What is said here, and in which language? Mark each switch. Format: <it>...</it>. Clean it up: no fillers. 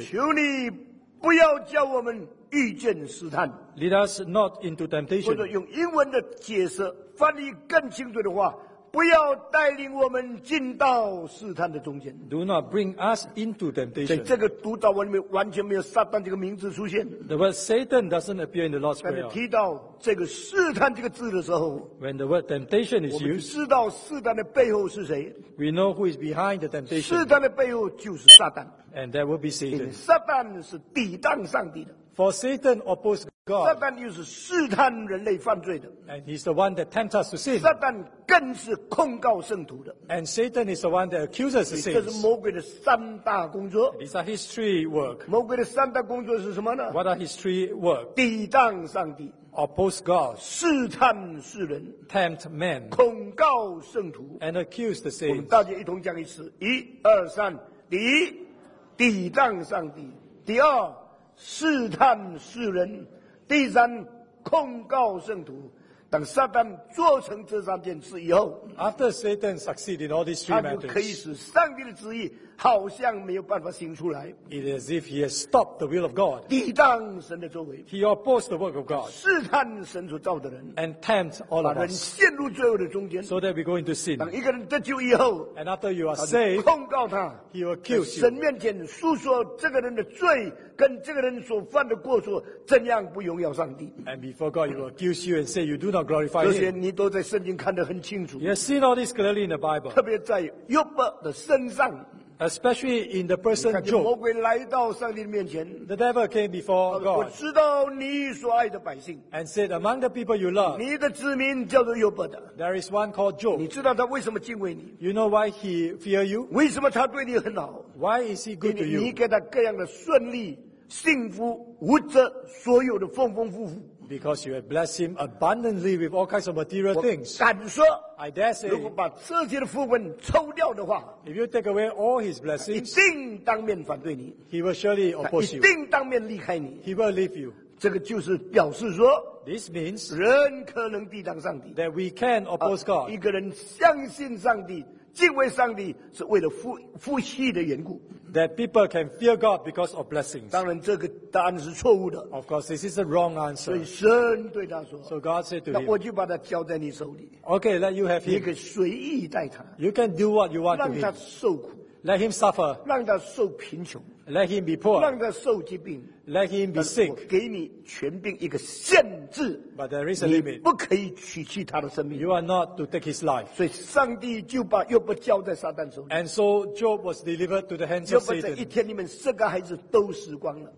<zh>求你不要叫我们遇见试探。</zh> <en>Lead us not into temptation.</en> <zh>或者用英文的解释翻译更清楚的话, 不要带领我们进到试探的中间。</zh> <en>Do not bring us into temptation.</en> <zh>在这个读到文里面完全没有撒旦这个名字出现。</zh> <en>The word Satan doesn't appear in the Lord's Prayer.</en> <zh>但是提到这个试探这个字的时候,</zh> <en>When the word temptation is used,</en> <zh>我们知道试探的背后是谁。</zh> <en>We know who is behind the temptation.</en> <zh>试探的背后就是撒旦。</zh> <en>And that will be Satan.</en> <zh>撒旦是抵挡上帝的。</zh> <en>For Satan opposed God.</en> <zh>撒旦又是试探人类犯罪的。</zh> <en>And he's the one that tempts us to sin.</en> <zh>撒旦更是控告圣徒的。</zh> <en>And Satan is the one that accuses the saints.</en> <zh>这是魔鬼的三大工作。</zh> <en>It's a history work.</en> <zh>魔鬼的三大工作是什么呢?</zh> <en>What are history work?</en> <zh>抵挡上帝。</zh> <en>Oppose God.</en> <zh>试探世人。</zh> <en>Tempt men.</en> <zh>控告圣徒。</zh> <en>And accuse the saints.</en> <zh>我们大家一同讲一次。一、二、三。第一, 抵挡上帝。第二, 试探世人，第三控告圣徒。等撒旦做成这三件事以后，</zh> <en>After Satan succeeded in all these three matters,</en> <zh>他就可以使上帝的旨意好像没有办法行出来。</zh> <en>It is as if he has stopped the will of God.</en> <zh>抵挡神的作为。</zh> <en>He opposed the work of God.</en> <zh>试探神所造的人。</zh> <en>And tempt all of us.</en> <zh>把人陷入罪恶的中间。</zh> <en>So that we go into sin.</en> <zh>等一个人得救以后，</zh> <en>And after you are saved,</en> <zh>控告他。</zh> <en>He will accuse you.</en> <zh>神面前诉说这个人的罪， 跟这个人所犯的过错怎样不荣耀上帝。</zh> <en>And before God, he will accuse you and say you do not glorify him.</en> <zh>这些你都在圣经看得很清楚。</zh> <en>You have seen all this clearly in the Bible.</en> <zh>特别在约伯的身上。</zh> <en>Especially in the person Job.</en> <zh>魔鬼来到上帝面前。</zh> <en>The devil came before God.</en> <zh>我知道你所爱的百姓。</zh> <en>And said, among the people you love,</en> <zh>你的子民叫做约伯的。</zh> <en>There is one called Job.</en> <zh>你知道他为什么敬畏你。</zh> <en>You know why he fear you?</en> <zh>为什么他对你很好。</zh> <en>Why is he good to you?</en> <zh>你给他各样的顺利。幸福无责所有的丰丰富富。</zh> <en>Because you have blessed him abundantly with all kinds of material things.</en> <zh>我敢说,</zh> <en>I dare say,</en> <zh>如果把这些的福分抽掉的话,</zh> <en>if you take away all his blessings,</en> <zh>一定当面反对你,</zh> <en>he will surely oppose you.</en> <zh>一定当面离开你,</zh> <en>he will leave you.</en> <zh>这个就是表示说,</zh> <en>this means</en> <zh>人可能抵挡上帝,</zh> <en>that we can oppose God.</en> <zh>一个人相信上帝, 敬畏上帝是为了夫妻的缘故。</zh> <en>That people can fear God because of blessings.</en> <zh>当然这个答案是错误的。</zh> <en>Of course, this is the wrong answer.</en> <zh>所以神对他说,</zh> <en>So God said to him,</en> <zh>那我就把他交在你手里。</zh> <en>Okay, let you have him.</en> <zh>你可随意待他。</zh> <en>You can do what you want to him.</en> <zh>让他受苦。</zh> <en>Let him suffer.</en> <zh>让他受贫穷。</zh> <en>Let him be poor.</en> <zh>让他受疾病。</zh> <en>Let him be sick.</en> <zh>我给你权柄一个限制。</zh> <en>But there is a limit.</en> <zh>你不可以取去他的生命。</zh> <en>You are not to take his life.</en> <zh>所以上帝就把约伯交在撒旦手里。</zh> <en>And so Job was delivered to the hands of Satan.</en> <zh>约伯在一天里面四个孩子都死光了。</zh>